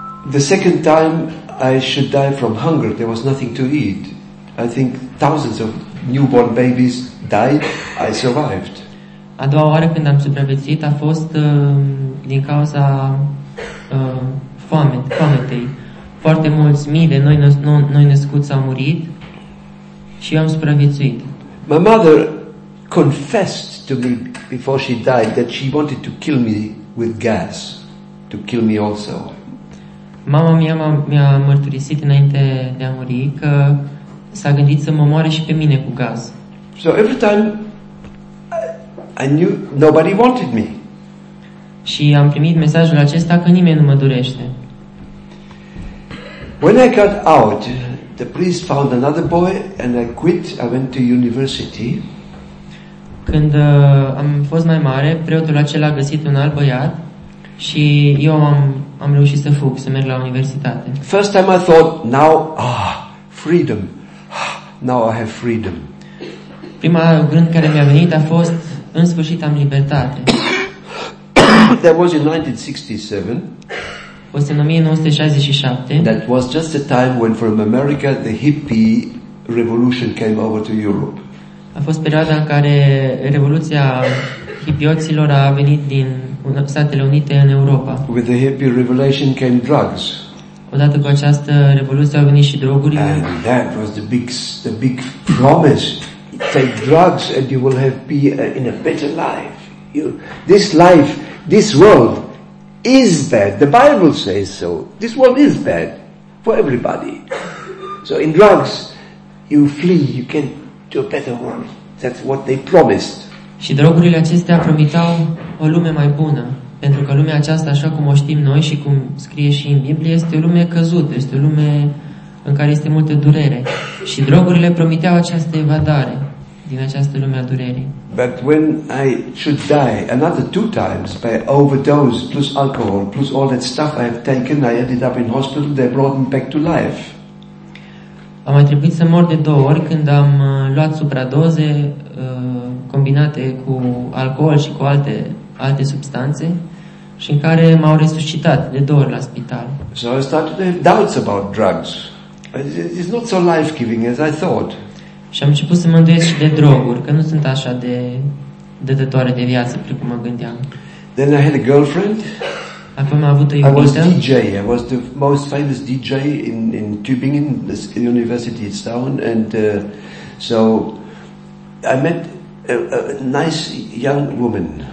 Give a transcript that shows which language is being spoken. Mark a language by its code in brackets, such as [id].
[en] The second time I should die from hunger, there was nothing to eat. I think thousands of newborn babies died. I survived. [ro] A doua oară când am supraviețuit a fost din cauza foametei. Foarte mulți mii de noi născuți au murit și eu am supraviețuit. [en] My mother confessed to me before she died that she wanted to kill me with gas, to kill me also. [ro] Mama mea mi-a mărturisit înainte de a muri că s-a gândit să mă moare și pe mine cu gaz. [en] So every time I knew nobody wanted me. [ro] Și am primit mesajul acesta că nimeni nu mă dorește. [en] When I got out, the priest found another boy and I quit. I went to university. [ro] Când am fost mai mare, preotul acela a găsit un alt băiat și eu am reușit să fug, să merg la universitate. [en] First time I thought, now I have freedom. [ro] Prima gând care mi-a venit a fost, în sfârșit am libertate. [en] That was in 1967. [ro] Fost în 1967. [en] That was just the time when from America the hippie revolution came over to Europe. [ro] A fost perioada în care revoluția hipioților a venit din Statele Unite în Europa. [en] With the hippie revolution came drugs. [ro] Odată cu această revoluție au venit și drogurile. [en] And that was the big promise. Take drugs and you will have be in a better life. This life, this world is bad. The Bible says so. This world is bad for everybody. So in drugs you flee, you get to a better world. That's what they promised. [ro] Și drogurile acestea promitau o lume mai bună, pentru că lumea aceasta, așa cum o știm noi și cum scrie și în Biblie, este o lume căzută, este o lume în care este multă durere. Și drogurile promiteau această evadare din această lume a durerii. [en] But when I should die another two times by overdose plus alcohol plus all that stuff I have taken, I ended up in hospital, they brought me back to life. [ro] Am mai trebuit să mor de două ori când am luat supradoze combinate cu alcool și cu alte substanțe și în care m-au resuscitat de două ori la spital. [en] So I started to have doubts about drugs. It's not so life-giving as I thought. [ro] Și am început să mă îndoiesc și de droguri, că nu sunt așa de dătătoare de viață precum mă gândeam. [en] Then I had a girlfriend. [ro] Apoi am avut o iubită. [en] I was DJ. I was the most famous DJ in Tübingen, this university in town, and so I met a nice young woman.